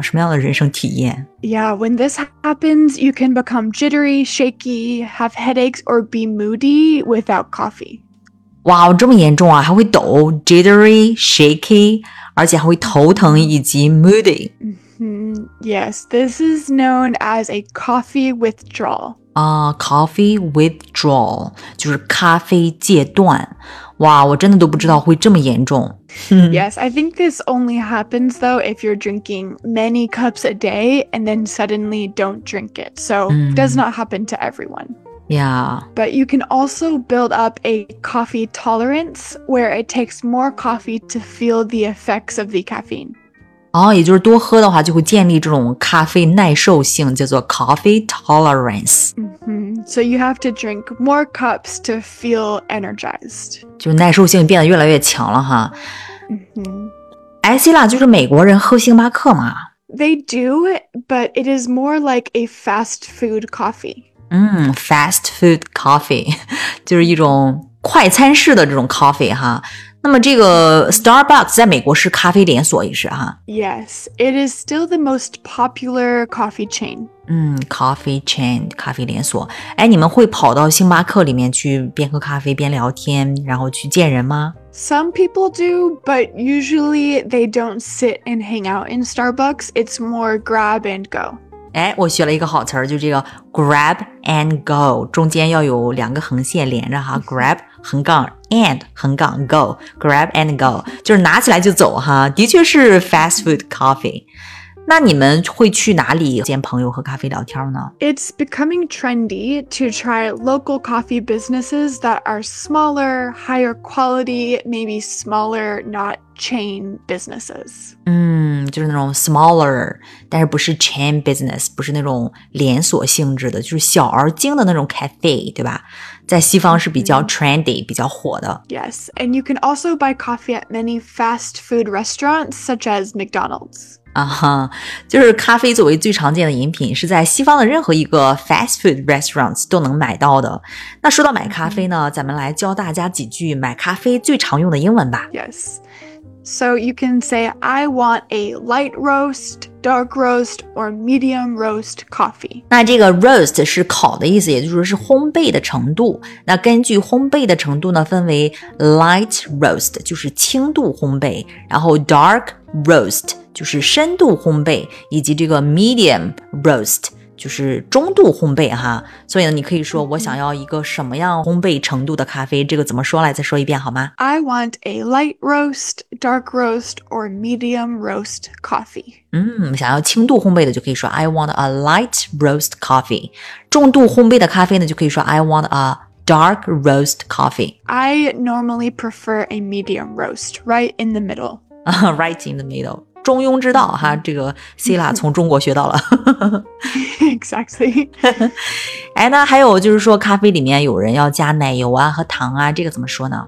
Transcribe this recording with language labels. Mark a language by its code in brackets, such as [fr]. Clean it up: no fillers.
[zh] 什么样的人生体验？ [en] Yeah, when this happens, you can become jittery, shaky, have headaches, or be moody without coffee. [zh] 哇，这么严重啊，还会抖， jittery, shaky, 而且还会头疼以及 moody。 [en] Yes, this is known as a coffee withdrawal. [zh] Coffee withdrawal, 就是咖啡戒断。哇，我真的都不知道会这么严重。 [en] Yes, I think this only happens though if you're drinking many cups a day and then suddenly don't drink it. So, it does not happen to everyone. Yeah. But you can also build up a coffee tolerance where it takes more coffee to feel the effects of the caffeine. [zh] 哦，也就是多喝的话就会建立这种咖啡耐受性，叫做 coffee tolerance. [en] So you have to drink more cups to feel energized. [zh] 就耐受性变得越来越强了哈。哎，Sila，就是美国人喝星巴克吗？ [en] They do, but it is more like a fast food coffee. [zh] Fast food coffee, 就是一种快餐式的这种 coffee 哈。那么这个 Starbucks 在美国是咖啡连锁也是哈。 [en] Yes, it is still the most popular coffee chain. [zh] Coffee chain, 咖啡连锁。哎，你们会跑到星巴克里面去边喝咖啡边聊天，然后去见人吗？ [en] Some people do, but usually they don't sit and hang out in Starbucks. It's more grab and go. [zh] 哎，我学了一个好词儿，就这个 grab and go， 中间要有两个横线连着哈 ，grab 横杠 and 横杠 go，grab and go， 就是拿起来就走哈，的确是 fast food coffee。那你们会去哪里见朋友喝咖啡聊天呢 [en] ？It's becoming trendy to try local coffee businesses that are smaller, higher quality, maybe smaller, not chain businesses. [zh] 就是那种 smaller， 但是不是 chain business， 不是那种连锁性质的，就是小而精的那种 cafe， 对吧？在西方是比较 trendy，比较火的。 [en] Yes, and you can also buy coffee at many fast food restaurants such as McDonald's. [zh] 就是咖啡作为最常见的饮品是在西方的任何一个 fast food restaurants 都能买到的。那说到买咖啡呢，咱们来教大家几句买咖啡最常用的英文吧。 [en] Yes. So you can say, I want a light roast, dark roast, or medium roast coffee. [zh] 那这个 roast 是烤的意思，也就是说是烘焙的程度。那根据烘焙的程度呢，分为 light roast, 就是轻度烘焙，然后 dark roast,就是深度烘焙，以及这个 medium roast 就是中度烘焙哈。所以呢，你可以说我想要一个什么样烘焙程度的咖啡，这个怎么说来？再说一遍好吗 [en] ？I want a light roast, dark roast, or medium roast coffee. [zh] 想要轻度烘焙的就可以说 [en] I want a light roast coffee. [zh] 重度烘焙的咖啡呢，就可以说 [en] I want a dark roast coffee. I normally prefer a medium roast, right in the middle. Right in the middle. [zh] 中庸之道哈，这个 Sila 从中国学到了。 [en] Exactly. [zh] 哎，那还有就是说咖啡里面有人要加奶油啊和糖啊，这个怎么说呢？